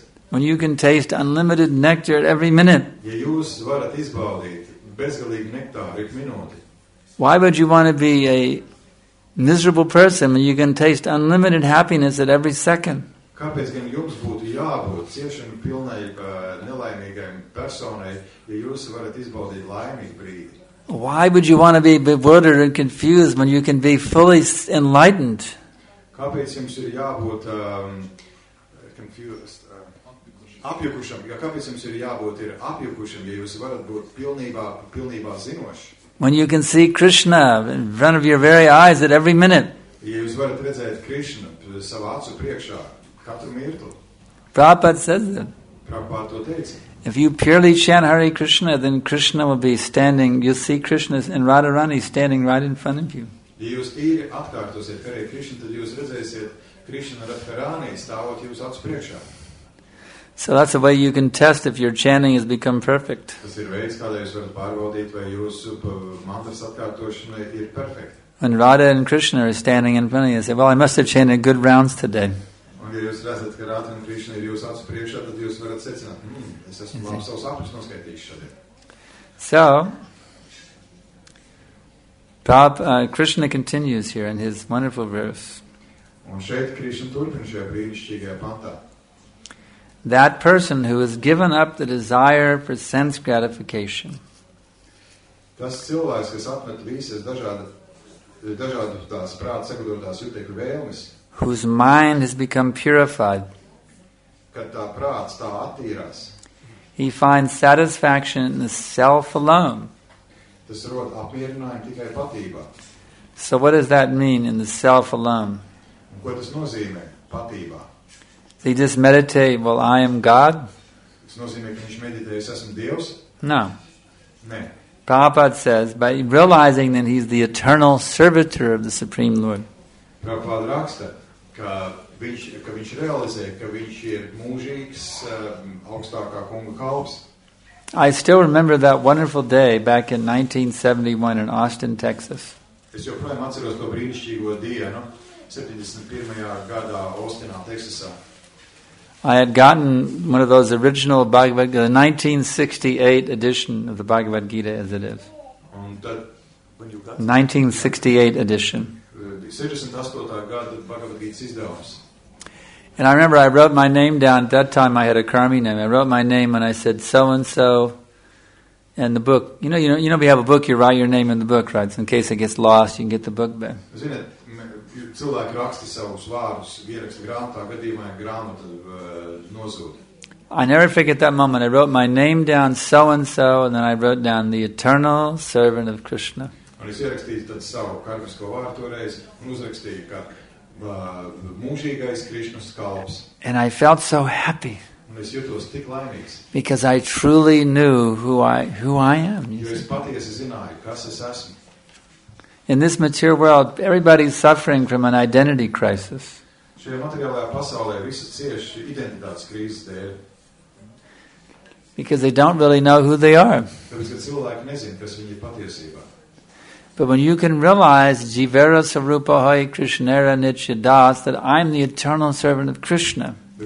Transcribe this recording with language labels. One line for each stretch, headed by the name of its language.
English: When you can taste unlimited nectar at every minute.
Latvian: Ja jūs varat izbaudīt bezgalīgu nektāru ik minūti.
English: Why would you want to be a miserable person when you can taste unlimited happiness at every second?
Latvian: Kāpēc gan jums būtu jābūt ciešanu pilnai nelaimīgai personai, ja jūs varat izbaudīt laimīgu brīdi?
English: Why would you want to be bewildered and confused when you can be fully enlightened?
Latvian: Kāpēc jums ir jābūt
English: confused?
Latvian: Apjukušam, ja kāpēc jums ir jābūt ir apjukušam, ja jūs varat būt pilnībā zinoši.
English: When you can see Krishna in front of your very eyes at every minute.
Latvian: Ja jūs varat redzēt Krishna savā acu priekšā katru mirtu.
English: Prabhupāda says it.
Latvian: Prabhupāda to teica.
English: If you purely chant Hare Krishna, then Krishna will be standing, you'll see Krishna and Radharani standing right in front of you.
Latvian: Ja jūs tīri atkārtosiet Hare Krishna, tad jūs redzēsiet Krishna Radharani stāvot jūs acu priekšā.
English: So that's a way you can test if your chanting has become perfect.
Latvian: Tas ir veids, kādā jūs varat pārbaudīt, vai jūsu mantras atkārtošanai ir perfekt.
English: When Radha and Krishna are standing in front of you, they say, well, I must have chanted good rounds today.
Latvian: Un ja jūs redzat, ka Radha and Krishna ir jūs acu priekšā, tad jūs varat secināt, es esmu labi savus sapņus noskaitījis šodien.
English: So, Krishna continues here in his wonderful verse.
Latvian: Un šeit Krishna turpina šajā brīnišķīgajā pantā.
English: That person who has given up the desire for sense gratification.
Latvian: Tas cilvēks, kas atmet visas dažādas tās prāta sagudrotās jutekļu vēlmes.
English: Whose mind has become purified.
Latvian: Kad tā prāts tā attīrās.
English: He finds satisfaction in the self alone.
Latvian: Tas rod apmierinājumu tikai patībā.
English: So what does that mean in the self alone?
Latvian: Un ko tas nozīmē patībā?
English: He just meditate, well, I am God?
Latvian: Tas nozīmē, ka viņš meditē, es esmu Dievs?
English: No.
Latvian: Nē.
English: Prabhupāda says, by realizing that he's the eternal servitor of the Supreme Lord.
Latvian: Prabhupāda raksta, ka viņš realizē, ka viņš ir mūžīgs, augstākā kunga kalps.
English: I still remember that wonderful day back in 1971 in Austin, Texas.
Latvian: Es joprojām atceros to brīnišķīgo dienu, 71. Gadā Austinā, Teksasā.
English: I had gotten one of those original Bhagavad Gita, the 1968 edition of the Bhagavad Gita as it is. And I remember I wrote my name down, at that time I had a Karmi name, I wrote my name and I said so-and-so, and the book, you know, we have a book, you write your name in the book, right, so in case it gets lost, you can get the book back.
Latvian: Cilvēki raksti savus vārus, ieraksta grāmatā, gadījumā grāmata nozūd.
English: I never forget that moment. I wrote my name down, so and so, and then I wrote down the eternal servant of Krishna.
Latvian: Un es ierakstīju tad savu karmisko vārtu reizi un uzrakstīju, ka mūžīgais Krišnas kalps.
English: And I felt so happy.
Latvian: Un es jūtos tik laimīgs.
English: Because I truly knew who I am.
Latvian: Jo es patiesi zināju, kas es esmu.
English: In this material world, everybody is suffering from an identity crisis.
Latvian: Šajā materiālajā pasaulē visi cieš identitātes krīzes dēļ.
English: Because they don't really know who they are. But when you can realize
Bangla: Jivara Sarupa Hoi Krishnara Nitya Das,
English: that I'm the eternal servant of Krishna.